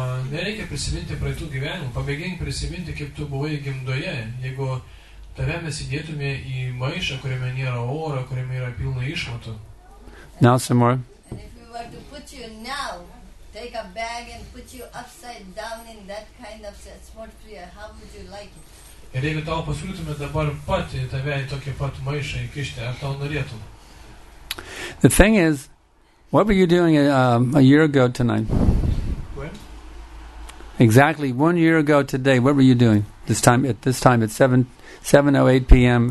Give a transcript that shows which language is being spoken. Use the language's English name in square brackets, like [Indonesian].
[Lithuanian] Nereikia prisiminti praeitų gyvenimų. Pabėgink prisiminti, kaip tu buvai gimdoje. Jeigu tave mes įdėtume į maišą, kuriame nėra oro, kuriame yra pilna išmatų. [English] Now some more. And if we were to put you now, take a bag and put you upside down in that kind of atmosphere, how would you like it? [Lithuanian] Ir jeigu tau pasiūlytume dabar pat į tave į tokį pat maišą įkišti, ar tau norėtum? [English] The thing is, what were you doing a year ago tonight? Exactly 1 year ago today, what were you doing at 7:08 p.m.